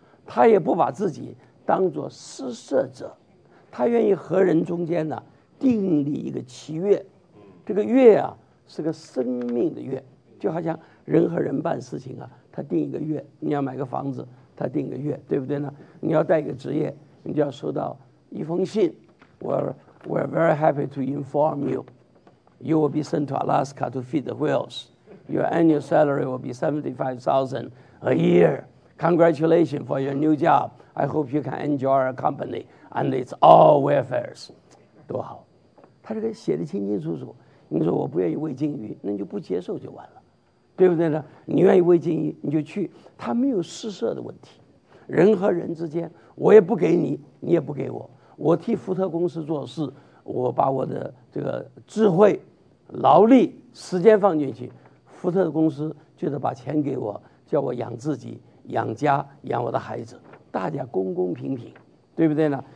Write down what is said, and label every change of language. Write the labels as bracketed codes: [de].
[zh] 他也不把自己当做施舍者，他愿意和人中间呢、啊。订立一个契约，这个约啊是个生命的约，就好像人和人办事情啊，他订一个约，你要买个房子，他订一个约，对不对呢？你要带一个职业，你就要收到一封信。 [en] We're very happy to inform you, you will be sent to Alaska to feed the whales. Your annual salary will be $75,000 a year. Congratulations for your new job. I hope you can enjoy our company and it's all welfare's. [zh] 多好，他这个写的清清楚楚。你说我不愿意喂金鱼，那你就不接受就完了，对不对呢？你愿意喂金鱼你就去，他没有施舍的问题。人和人之间，我也不给你，你也不给我，我替福特公司做事，我把我的这个智慧劳力时间放进去，福特公司就得把钱给我，叫我养自己养家养我的孩子，大家公公平平，对不对呢？